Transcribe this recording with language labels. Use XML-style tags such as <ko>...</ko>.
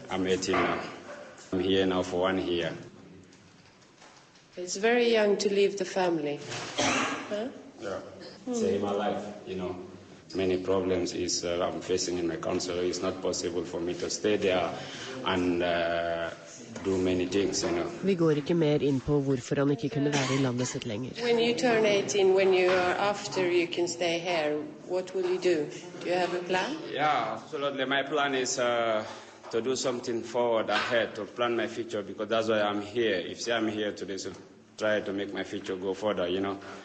<en>I'm 18 now. I'm here now for 1 year. It's very young to leave the family. Huh? Yeah. Mm. Save my life, you know. Many problems is I'm facing in my country. It's not possible for me to stay there and do many things, you know.</en> <no>Vi går ikke mer inn på hvorfor han ikke kunne være I landet sitt lenger.</no> <en>When you turn 18, when you are after, you can stay here. What will you do? Do you have a plan? Yeah, absolutely. My plan is to do something forward ahead, to plan my future, because that's why I'm here. If say I'm here today, so try to make my future go further, you know.</en>